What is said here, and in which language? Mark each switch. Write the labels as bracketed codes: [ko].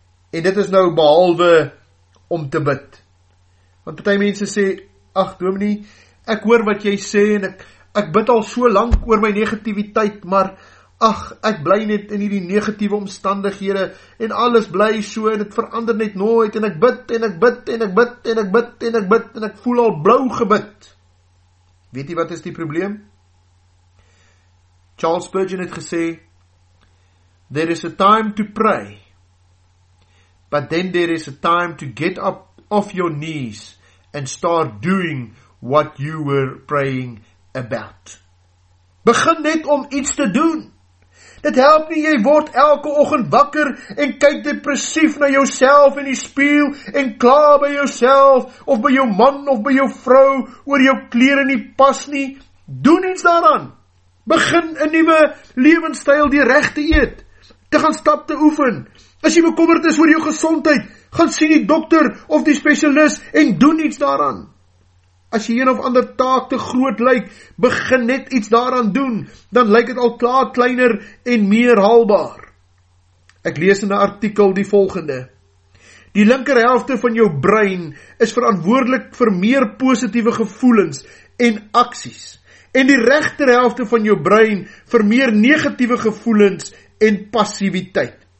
[af] En dit is nou behalwe om te bid. Want baie mense sê, ach dominee, ek hoor wat jy sê en ek bid al so lank oor my negativiteit, maar ach, ek bly net in hierdie negatiewe omstandighede en alles bly so en het verander net nooit en ek bid en ek bid en ek bid en ek bid en ek bid en ek voel al blou gebid. Weet jy wat is die probleem? [en] Charles Spurgeon [af] het gesê, [en] there is a time to pray, but then there is a time to get up off your knees and start doing what you were praying about. [af] Begin net om iets te doen. Dit help nie, jy word elke oggend wakker en kyk depressief na jouself in die spieël en kla by jouself of by jou man of by jou vrou oor jou klere nie pas nie. Doen iets daaraan. Begin 'n nuwe lewenstyl, die regte eet. Te gaan stap, te oefen. As jy bekommerd is oor jou gesondheid, gaan sien die dokter of die spesialis en doen iets daaraan. As jy een of ander taak te groot lyk, begin net iets daaraan doen, dan lyk het al klaar kleiner en meer haalbaar. Ek lees in 'n artikel die volgende. Die linkerhelfte van jou brein is verantwoordelik vir meer positiewe gevoelens en aksies, en die regterhelfte van jou brein vir meer negatiewe gevoelens en passiwiteit.